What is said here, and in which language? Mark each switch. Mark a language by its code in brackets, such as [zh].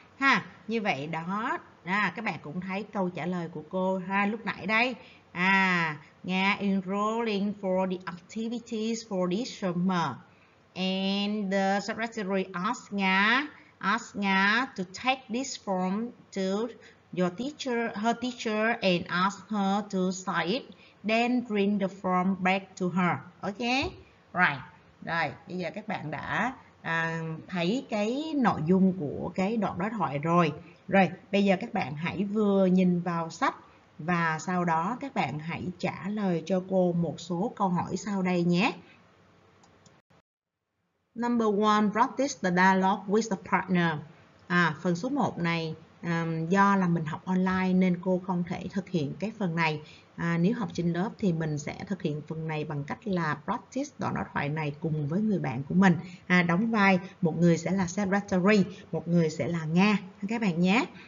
[vi] Ha, như vậy đó, các bạn cũng thấy câu trả lời của cô ha lúc nãy đây. [en] Nga enrolling for the activities for this summer. And the secretary asked Nga to take this form to your teacher, her teacher and ask her to sign it. Then bring the form back to her. Okay? Right. [vi] Rồi, bây giờ các bạn đã thấy cái nội dung của cái đoạn đối thoại rồi. Rồi, bây giờ các bạn hãy vừa nhìn vào sách và sau đó các bạn hãy trả lời cho cô một số câu hỏi sau đây nhé. [en] Number one, practice the dialogue with the partner. [vi] Phần số 1 này do là mình học online nên cô không thể thực hiện cái phần này. Nếu học trên lớp thì mình sẽ thực hiện phần này bằng cách là practice đoạn đối thoại này cùng với người bạn của mình. Đóng vai một người sẽ là secretary, một người sẽ là Nga các bạn nhé.